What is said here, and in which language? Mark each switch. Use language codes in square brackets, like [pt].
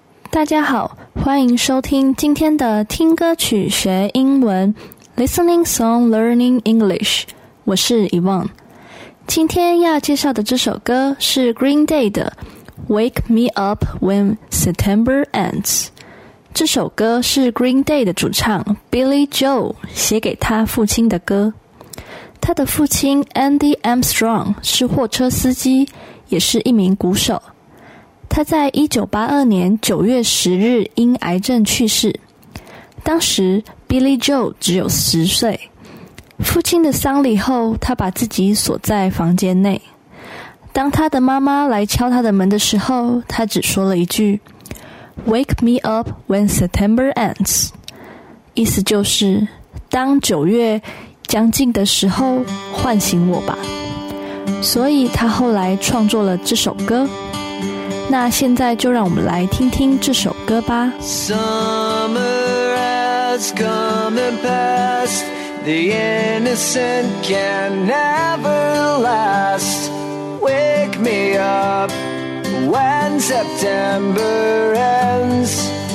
[zh] 大家好，欢迎收听今天的听歌曲学英文 [en] Listening Song Learning English， [zh] 我是 Yvonne。今天要介绍的这首歌是 Green Day 的 Wake Me Up When September Ends。这首歌是 Green Day 的主唱 Billy Joel 写给他父亲的歌。他的父亲 Andy Armstrong 是货车司机，也是一名鼓手。他在1982年9月10日因癌症去世，当时 Billy Joel 只有10岁。父亲的丧礼后，他把自己锁在房间内。当他的妈妈来敲他的门的时候，他只说了一句 [en] Wake me up when September ends， [zh] 意思就是当9月将近的时候唤醒我吧。所以他后来创作了这首歌。那现在就让我们来听听这首歌吧。 [en] Summer has come and passed, the innocent can never last. Wake me up when September ends.